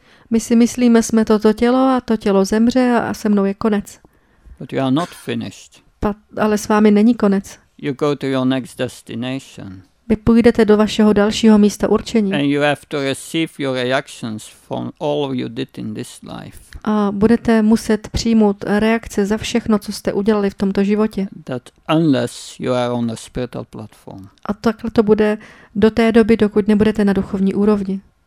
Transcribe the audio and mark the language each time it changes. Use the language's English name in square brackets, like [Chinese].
[Czech] My si myslíme, jsme toto tělo a to tělo zemře a se mnou je konec. [English] But you are not finished. [Czech] Ale s vámi není konec. [English] You go to your next destination. [Czech] Vy půjdete do vašeho dalšího místa určení. [English] And you have to receive your reactions from all you did in this life. [Czech] A budete muset přijmout reakce za všechno, co jste udělali v tomto životě. [English] That unless you are on a spiritual platform. [Czech] A takhle to bude do té doby, dokud nebudete na duchovní úrovni.